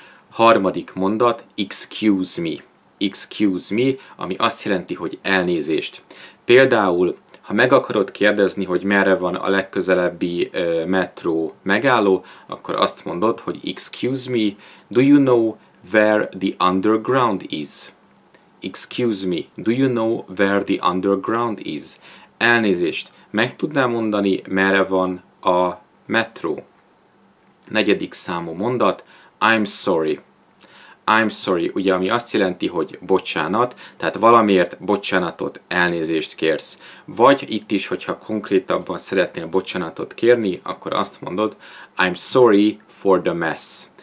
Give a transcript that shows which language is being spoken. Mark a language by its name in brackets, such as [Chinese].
[Hungarian] Harmadik mondat, [English] excuse me. Excuse me, [Hungarian] ami azt jelenti, hogy elnézést. Például, ha meg akarod kérdezni, hogy merre van a legközelebbi metró megálló, akkor azt mondod, hogy [English] excuse me, do you know where the underground is? Excuse me, do you know where the underground is? [Hungarian] Elnézést, meg tudnál mondani, merre van a metró. Negyedik számú mondat, [English] I'm sorry. I'm sorry, [Hungarian] ugye ami azt jelenti, hogy bocsánat, tehát valamiért bocsánatot, elnézést kérsz. Vagy itt is, hogyha konkrétabban szeretnél bocsánatot kérni, akkor azt mondod, [English] I'm sorry for the mess.